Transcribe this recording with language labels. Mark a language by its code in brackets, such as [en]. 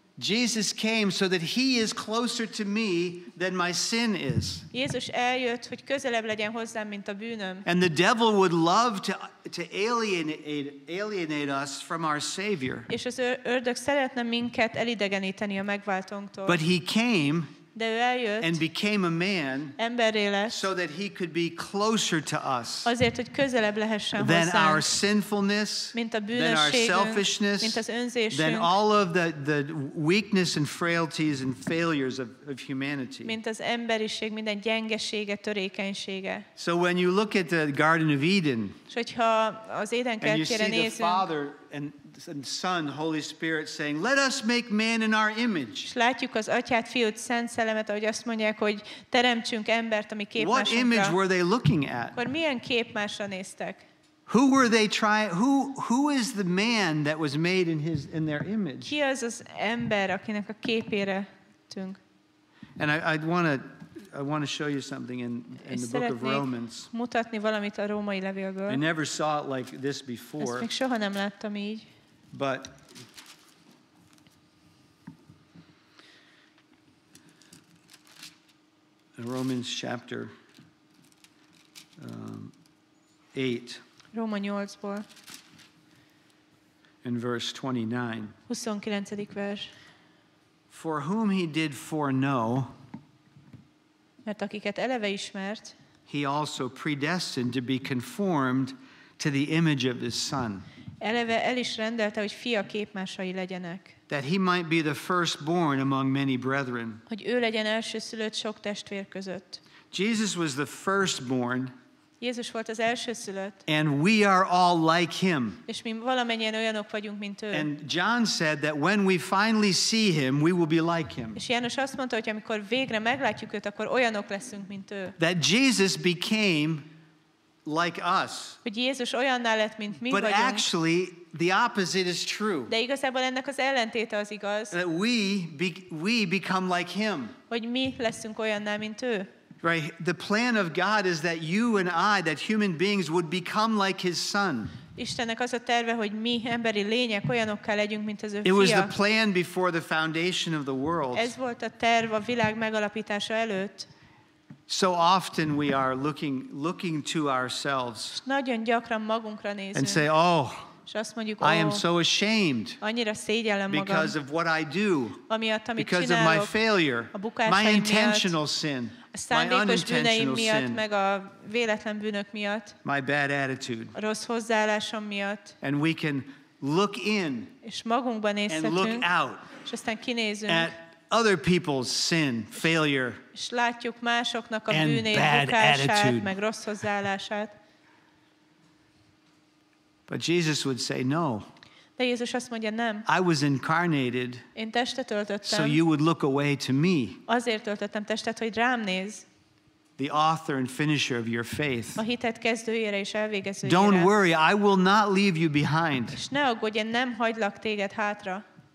[en] Jesus came so that he is closer to me than my sin is. [hu] Jézus eljött, hogy közelebb legyen hozzám, mint a bűnöm. [en] And the devil would love to alienate us from our Savior. [hu] És az ördög szeretne minket elidegeníteni a megváltónktól. [en] But he came [hu] De ő eljött, [en] and became a man [hu] emberré lett, [en] so that he could be closer to us [hu] azért, hogy közelebb lehessen hozzánk, [en] than our sinfulness, [hu] mint a bűnösségünk, [en] than our selfishness, [hu] mint az önzésünk, [en] than all of the weakness and frailties and failures of humanity. [hu] Mint az emberiség minden gyengesége, törékenysége. [en] So when you look at the Garden of Eden, [hu] és hogyha az Éden kertjére [en] and you see [hu] nézünk, [en] the Father and Son, Holy Spirit saying, let us make man in our image. [hu] És látjuk az Atyát, Fiút, Szent Szellemet, ahogy azt mondják, hogy teremtsünk embert, ami képmásra. [en] What image were they looking at? [hu] Akkor milyen képmásra néztek? [en] Who were they trying, who is the man that was made in their image? [hu] Ki az az ember, akinek a képére tűnk? [en] And I want to show you something in the book of Romans. [hu] Mutatni valamit a római levélből. [en] I never saw it like this before. [hu] Ezt még soha nem láttam így. [en] But in Romans chapter 8. [hu] Róma 8-ból. [en] In verse 29. [hu] 29. vers. [en] For whom he did foreknow, [hu] mert akiket eleve ismert, [en] he also predestined to be conformed to the image of his son. [hu] Eleve el is rendelte, hogy fia képmásai legyenek. [en] That he might be the firstborn among many brethren. [hu] Hogy ő legyen elsőszülött sok testvér között. [en] Jesus was the firstborn. [hu] Jézus volt az elsőszülött. [en] And we are all like him. [hu] És mi valamennyien olyanok vagyunk, mint ő. [en] And John said that when we finally see him, we will be like him. [hu] És János azt mondta, hogy amikor végre meglátjuk őt, akkor olyanok leszünk, mint ő. [en] That Jesus became like us. [hu] Hogy Jézus olyanná lett, mint mi [en] But [hu] vagyunk. [en] Actually, the opposite is true. [hu] De igazából ennek az ellentéte az igaz. [en] That we become like him. [hu] Hogy mi leszünk olyanná, mint ő. [en] Right, the plan of God is that you and I, that human beings would become like his son. [hu] Istennek az a terve, hogy mi emberi lények olyanokká legyünk, mint az ő fia. [en] It was the plan before the foundation of the world. [hu] Ez volt a terv a világ megalapítása előtt. [en] So often we are looking to ourselves. [hu] Nagyon gyakran magunkra nézünk. [en] And say, oh, [hu] és azt mondjuk, [en] I am so ashamed because of what I do, [hu] amiatt, amit [en] because [hu] csinálok, [en] of my failure, [hu] a bukásaim [en] my intentional sin, [hu] a szándékos bűneim miatt, meg a véletlen bűnök miatt, [en] my bad attitude, [hu] a rossz hozzáállásom miatt. [en] And we can look in [hu] és magunkba nézhetünk, [en] and look out [hu] és aztán kinézünk, [en] at other people's sin, failure, [hu] és látjuk másoknak a [en] and [hu] bűnét, [en] bad [hu] bukását, [en] attitude, [hu] meg rossz hozzáállását. [en] But Jesus would say, no. [hu] De Jézus azt mondja, nem. [en] I was incarnated. [hu] Én testet öltöttem. [en] So you would look away to me. [hu] Azért öltöttem testet, hogy rám néz. [en] The author and finisher of your faith. [hu] A hitet kezdőjére és elvégezőjére. [en] Don't worry, I will not leave you behind. [hu] És ne aggódj, én nem hagylak téged hátra.